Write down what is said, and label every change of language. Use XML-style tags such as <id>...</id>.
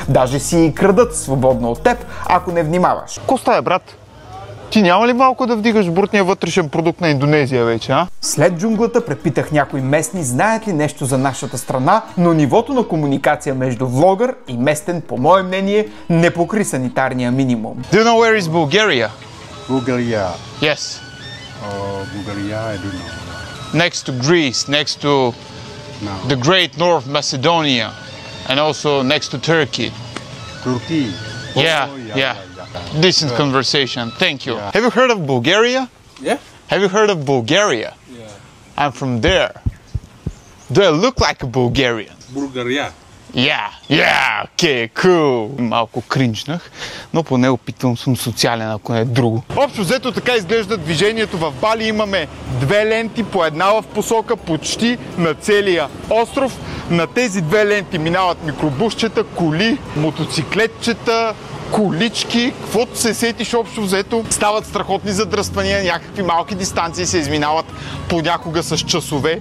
<bg>Даже си и крадат свободно от теб, ако не внимаваш. Коста е, брат? Ти няма ли малко да вдигаш брутния вътрешен продукт на Индонезия вече, а? След джунглата препитах някои местни, знаят ли нещо за нашата страна, но нивото на комуникация между влогър и местен, по мое мнение, не покри санитарния минимум.</bg> <en>Do you know where is Bulgaria? Bulgaria. Yes. Bulgaria, I don't know. Next to Greece, next to the great North Macedonia, and also next to Turkey. Turkey? Oh, yeah, yeah. Yeah. Decent conversation. Thank you. Yeah. Have you heard of Bulgaria? Yeah. Have you heard of Bulgaria? Yeah. I'm from there. Do I look like a Bulgarian? Bulgaria. Yeah. Yeah. Okay, cool.</en> <bg>Малко кринжнах, но поне опитвам съм социален, ако не друго. Общо взето така изглежда движението в Бали. Имаме две ленти по една в посока почти на целия остров. На тези две ленти минават микробусчета, коли, мотоциклетчета, колички, каквото се сетиш общо взето, стават страхотни задръствания, някакви малки дистанции се изминават понякога с часове.</bg>